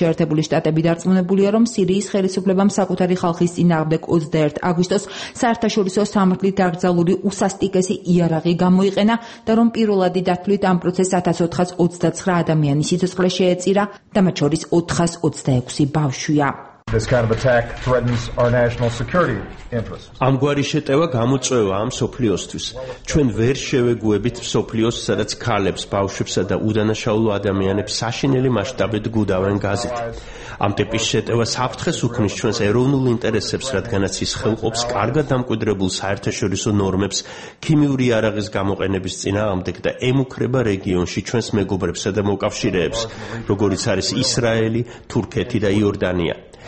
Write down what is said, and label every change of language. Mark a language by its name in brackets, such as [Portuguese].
[Georgian] შეერთებული შტატები დარწმუნებულია, რომ სირიის ხელისუფლებამ საკუთარი ხალხის წინააღმდეგ 21 აგვისტოს საერთაშორისო სამართლით დაკრძალული უსასტიკესი იარაღი გამოიყენა და რომ პირველადი დათვლით ამ პროცესს 1429 ადამიანის სიცოცხლე შეეწირა და მათ შორის 426 ბავშვია. [English] This kind of attack threatens our national security interests. [Georgian] ამგვარი შეტევა გამოწვევა ამ სოფლიოსთვის. ჩვენ ვერ შევეგუებით სოფლიოს, სადაც ქალებს, ბავშვებსა და უდანაშაულო ადამიანებს საშინელი მასშტაბით გუდავენ გაზით. ამ ტიპის შეტევა საფრთხეს უქმნის ჩვენს ეროვნულ ინტერესებს, რადგანაც ის ხელყოფს კარგად დამკვიდრებულ საერთაშორისო ნორმებს ქიმიური იარაღის გამოყენების წინააღმდეგ და ემუქრება რეგიონში ჩვენს მეგობრებსა და მოკავშირეებს, როგორიც არის ისრაელი, თურქეთი და იორდანია.